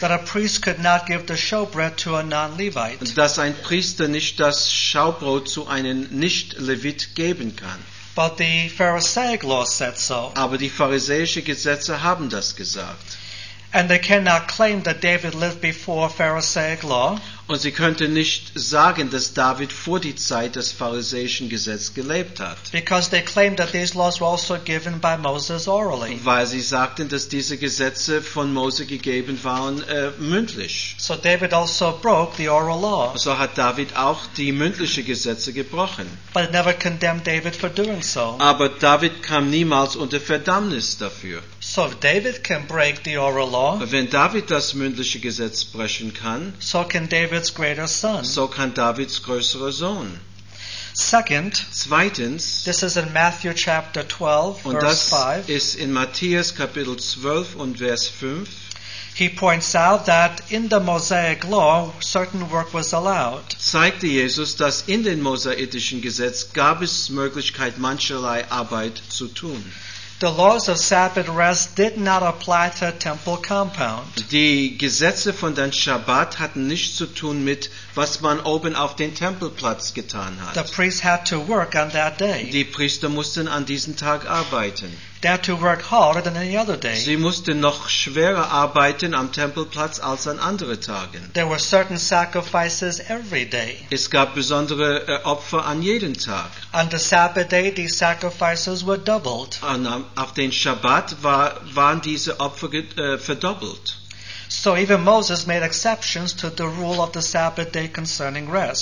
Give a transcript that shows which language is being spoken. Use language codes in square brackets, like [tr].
[en] that a priest could not give the showbread to a non-Levite. [de] Dass ein Priester nicht das Schaubrot zu einem Nicht-Levit geben kann. [en] But the Pharisaic law said so. [de] Aber die pharisäischen Gesetze haben das gesagt. [en] And they cannot claim that David lived before Pharisaic law. [de] Und sie könnten nicht sagen, dass David vor die Zeit des pharisäischen Gesetzes gelebt hat. [en] Because they claimed that these laws were also given by Moses orally. [de] Weil sie sagten, dass diese Gesetze von Mose gegeben waren mündlich. [en] So David also broke the oral law. [de] So hat David auch die mündlichen Gesetze gebrochen. [en] But never condemned David for doing so. [de] Aber David kam niemals unter Verdammnis dafür. [en] So if David can break the oral law, [de] wenn David das mündliche Gesetz brechen kann, [en] so can David's greater son. [de] So kann Davids größerer Sohn. [en] Second, [de] zweitens, [en] this is in Matthew chapter 12, [de] und [en] verse [de] das [en] 5. [de] Ist in Matthäus Kapitel 12 und Vers 5. [en] He points out that in the Mosaic law certain work was allowed. [de] Zeigte Jesus, dass in den mosaitischen Gesetz gab es Möglichkeit, mancherlei Arbeit zu tun. [en] The laws of Sabbath rest did not apply to a temple compound. [de] Die Gesetze von dem Shabbat hatten nichts zu tun mit, was man oben auf den Tempelplatz getan hat. [en] The priests had to work on that day. [de] Die Priester mussten an diesem Tag arbeiten. [en] they had to work harder than any other day. [de] Sie mussten noch schwerer arbeiten am Tempelplatz als an anderen Tagen. [en] There were certain sacrifices every day. [de] Es gab besondere Opfer an jedem Tag. [en] On the Sabbath day, these sacrifices were doubled. [de] Und auf den Schabbat waren diese Opfer verdoppelt. [en] So even Moses made exceptions to the rule of the Sabbath day concerning rest.